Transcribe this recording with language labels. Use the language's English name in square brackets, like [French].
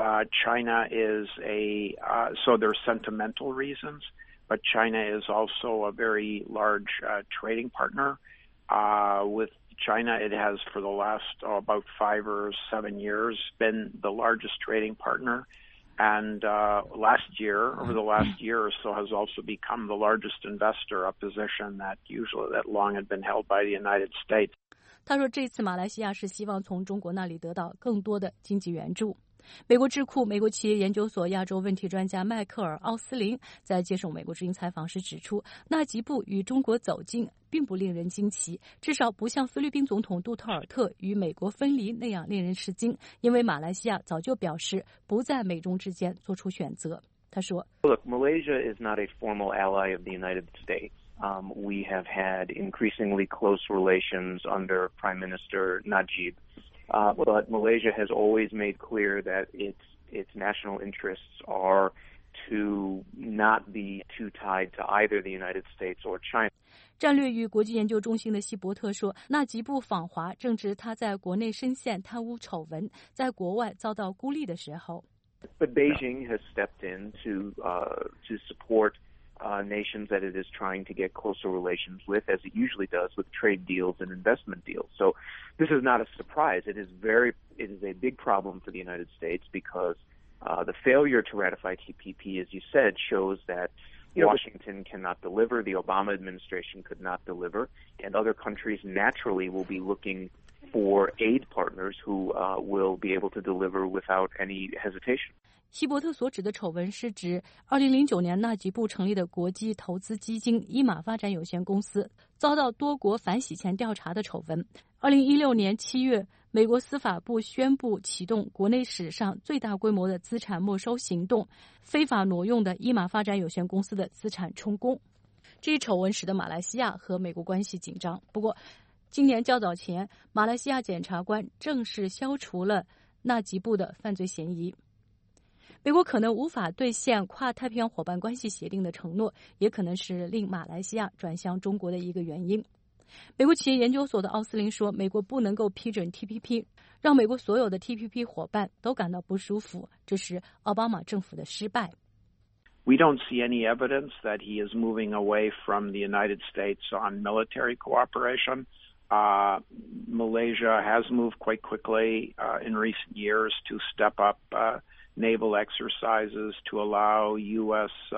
[English] China is a, so there are sentimental reasons, but China is also a very large trading partner with China. It has for the last about 5 or 7 years been the largest trading partner, and over the last year or so has also become the largest investor, a position that long had been held by the United States. [Chinese] 他说这次马来西亚是希望从中国那里得到更多的经济援助。美国智库美国企业研究所亚洲问题专家迈克尔·奥斯林在接受美国之音采访时指出，纳吉布与中国走近并不令人惊奇，至少不像菲律宾总统杜特尔特与美国分离那样令人吃惊，因为马来西亚早就表示不在美中之间做出选择。他说 [English] Look, Malaysia is not a formal ally of the United States. We have had increasingly close relations under Prime Minister Najib. But Malaysia has always made clear that its national interests are to not be too tied to either the United States or China. [Chinese] 战略与国际研究中心的希伯特说，纳吉布访华正值他在国内深陷贪污丑闻，在国外遭到孤立的时候。 [English] But Beijing has stepped in to support nations that it is trying to get closer relations with, as it usually does with trade deals and investment deals. So this is not a surprise. It is a big problem for the United States because the failure to ratify TPP, as you said, shows that Washington cannot deliver, the Obama administration could not deliver, and other countries naturally will be looking for aid partners who will be able to deliver without any hesitation. [Chinese] 希伯特所指的丑闻是指2009年纳吉布成立的国际投资基金伊玛发展有限公司遭到多国反洗钱调查的丑闻。 2016年7月，美国司法部宣布启动国内史上最大规模的资产没收行动，非法挪用的伊玛发展有限公司的资产充公。这一丑闻使得马来西亚和美国关系紧张。不过，今年较早前，马来西亚检察官正式消除了纳吉布的犯罪嫌疑。美国可能无法兑现跨太平洋伙伴关系协定的承诺，也可能是令马来西亚转向中国的一个原因。美国企业研究所的奥斯林说，美国不能够批准 TPP， 让美国所有的 TPP 伙伴都感到不舒服，这是奥巴马政府的失败。 [English] We don't see any evidence that he is moving away from the United States on military cooperation. Malaysia has moved quite quickly in recent years to step up naval exercises to allow U.S.